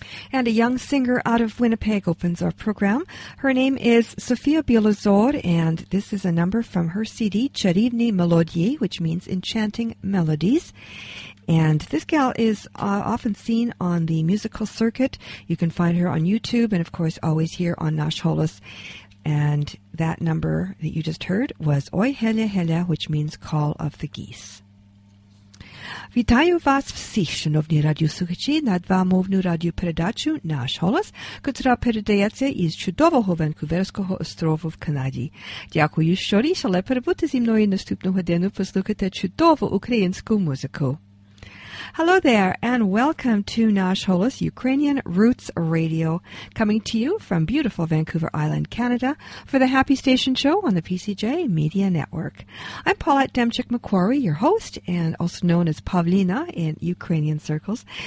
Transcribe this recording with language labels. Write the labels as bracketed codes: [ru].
[en] and a young singer out of Winnipeg opens our program. Her name is Sofia Bielozor, and this is a number from her CD, Charivni Melodii, which means Enchanting Melodies. And this gal is often seen on the musical circuit. You can find her on YouTube and, of course, always here on Nash Holos. And that number that you just heard was Oi Hele Hele, which means Call of the Geese. [uk] Вітаю вас всіх, шановні радіослухачі, на двомовну радіопередачу «Наш голос», котра передається із чудового Ванкуверського острову в Канаді. Дякую, що рішили перебути зі мною наступну годину послухати чудову українську музику. [en] Hello there, and welcome to Nash Holos Ukrainian Roots Radio, coming to you from beautiful Vancouver Island, Canada, for the Happy Station Show on the PCJ Media Network. I'm Paulette Demchik-Macquarie, your host, and also known as Pavlina in Ukrainian circles.